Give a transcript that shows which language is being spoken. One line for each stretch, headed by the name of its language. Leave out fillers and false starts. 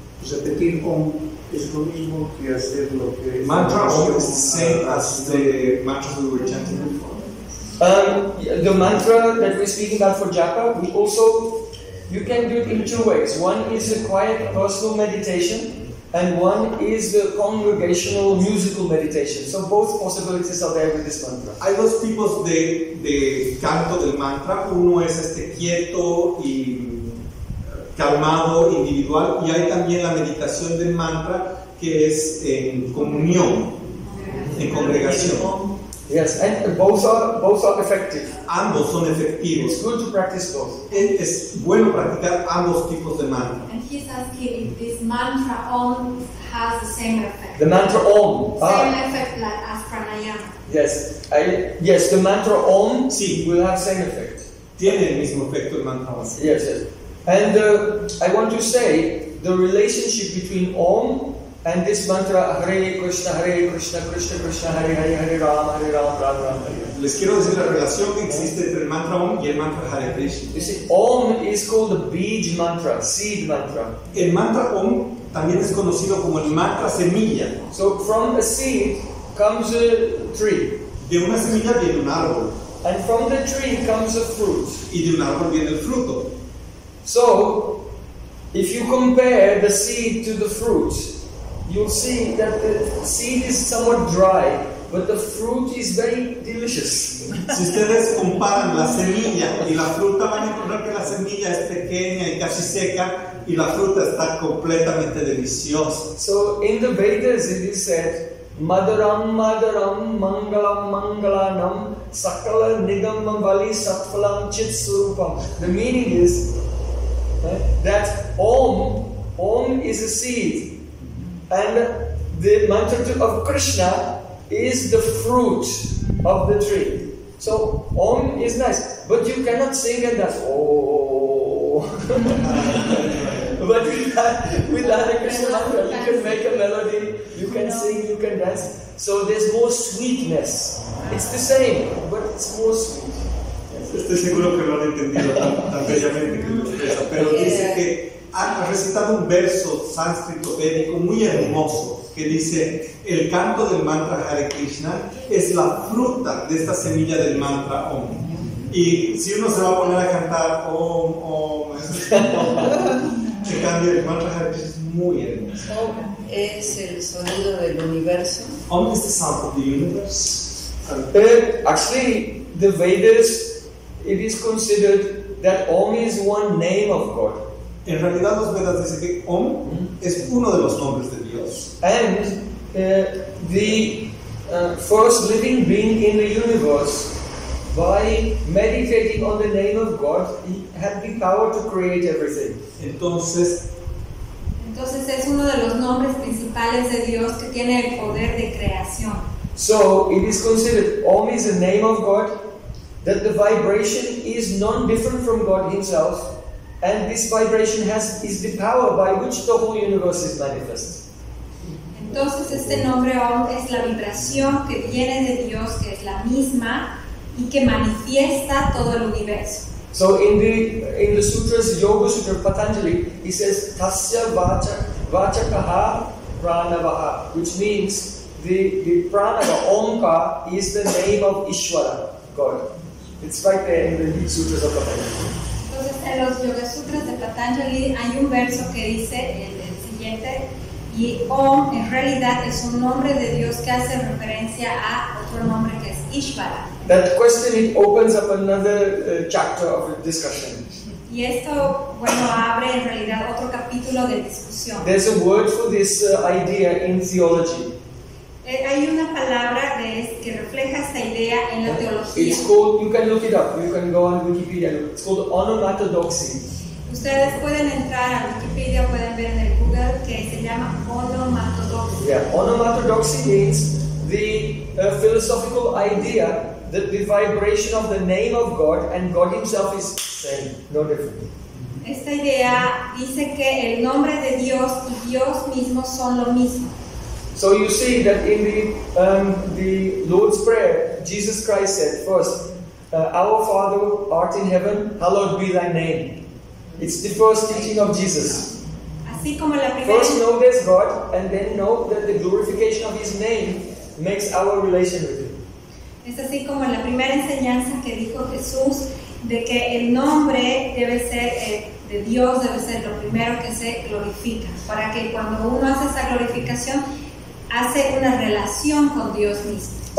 Spanish: Repetir con es lo mismo que hacer lo que
English: mantra es same as the mantras we were chanting before. The mantra that we're speaking about for japa, we also you can do it in two ways. One is a quiet personal meditation, and one is the congregational musical meditation. So both possibilities are there with this mantra.
Spanish: Hay dos tipos de canto del mantra. Uno es este quieto y calmado individual, y hay también la meditación del mantra que es en comunión, en congregación.
English: Yes, and both are effective.
Spanish: Ambos son efectivos.
English: It's good to practice both.
Spanish: Es bueno practicar ambos tipos de mantra.
English: And he's asking if this mantra OM has the same effect. The mantra OM. Same effect like as pranayama. Yes, yes, the mantra OM sí. Will have same effect.
Spanish: Tiene el mismo efecto el mantra OM.
English: Yes, yes. And I want to say the relationship between OM and this mantra, Hare Krishna, Krishna Krishna, Hare Hare, Hare Ram, Hare Ram, Ram Ram.
Spanish: Les quiero decir la relación que existe entre el mantra OM y el mantra Hare Krishna.
English: You see, OM is called the bij mantra, seed mantra.
Spanish: El mantra OM también es conocido como el mantra semilla.
English: So from a seed comes a tree.
Spanish: De una semilla viene un árbol.
English: And from the tree comes a fruit.
Spanish: Y de un árbol viene el fruto.
English: So, if you compare the seed to the fruit, you'll see that the seed is somewhat dry, but the fruit is very delicious.
Spanish: Si ustedes comparan la semilla y la fruta, van a encontrar que la semilla es pequeña y casi seca, y la fruta está completamente deliciosa.
Sanskrit: So in the Vedas it is said, Madaram, Madaram, Mangalam, Mangalanam, Sakala, Nigamam, Vali, Satphalam, Chitsurupam.
English: The meaning is that OM is a seed. And the mantra of Krishna is the fruit of the tree. So OM is nice, but you cannot sing and that's oh. But with that Hare Krishna mantra, you can make a melody, you can sing, you can dance. So there's more sweetness. It's the same, but it's more sweet.
Spanish: Estoy seguro que lo han entendido tan bellamente que lo pero dice que ha recitado un verso sánscrito védico muy hermoso que dice el canto del mantra Hare Krishna es la fruta de esta semilla del mantra OM. Y si uno se va a poner a cantar OM OM se cambia el mantra Hare Krishna, es muy hermoso. OM es el sonido del universo.
English: OM is the sound of the universe. Actually the Vedas it is considered that OM is one name of God.
Spanish: En realidad los Vedas dicen que OM es uno de los nombres de Dios.
English: And the first living being in the universe, by meditating on the name of God, he had the power to create everything.
Spanish: Entonces es uno de los nombres principales de Dios que tiene el poder de creación.
English: So it is considered OM is a name of God, that the vibration is non-different from God Himself. And this vibration is the power by which the whole universe is manifest.
Spanish: Entonces este nombre OM es la vibración que viene de Dios, que es la misma y que manifiesta todo el universo.
English: So in the sutras, Yoga Sutra Patanjali, he says
Sanskrit: tasya vachakaha pranavaha,
English: which means the pranava OMKA is the name of Ishwara, God. It's right there in the sutras of Patanjali.
Spanish: En los Yoga Sutras de Patanjali hay un verso que dice el siguiente y OM en realidad es un nombre de Dios que hace referencia a otro nombre que es Ishvara.
English: That question it opens up another chapter of the discussion.
Spanish: Y esto bueno abre en realidad otro capítulo de discusión.
English: There's a word for this idea in theology.
Spanish: Hay una palabra que refleja esta idea en la teología.
English: It's called, you can look it up, you can go on Wikipedia. It's called onomatodoxy.
Spanish: Ustedes pueden entrar a Wikipedia, pueden ver en el Google que se llama onomatodoxy.
English: Yeah, onomatodoxy means the philosophical idea that the vibration of the name of God and God himself is same, no different.
Spanish: Esta idea dice que el nombre de Dios y Dios mismo son lo mismo.
English: So you see that in the Lord's Prayer, Jesus Christ said first, Our Father art in heaven, hallowed be thy name. It's the first teaching of Jesus.
Spanish: Así como la primera...
English: First know there's God, and then know that the glorification of his name makes our relation with him.
Spanish: Es así como la primera enseñanza que dijo Jesús, de que el nombre debe ser de Dios, debe ser lo primero que se glorifica, para que cuando uno hace esa glorificación, hace una relación con Dios mismo.